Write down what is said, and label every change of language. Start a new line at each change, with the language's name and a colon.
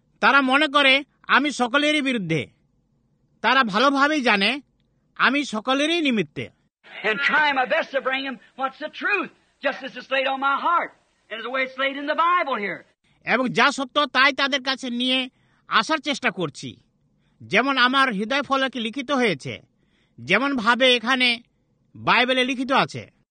Bangla: তারা মনে করে আমি সকলেরই বিরুদ্ধে, তারা ভালোভাবেই জানে আমি সকলেরই নিমিত্তে।
English: And try my best to bring him what's the truth, just as it's laid on my heart, and the way it's laid in the Bible here.
Bangla: এবং যা সত্য তাই তাদের কাছে নিয়ে আসার চেষ্টা করছি, যেমন আমার হৃদয় ফলকে লিখিত হয়েছে, যেমন ভাবে এখানে বাইবেলে লিখিত আছে।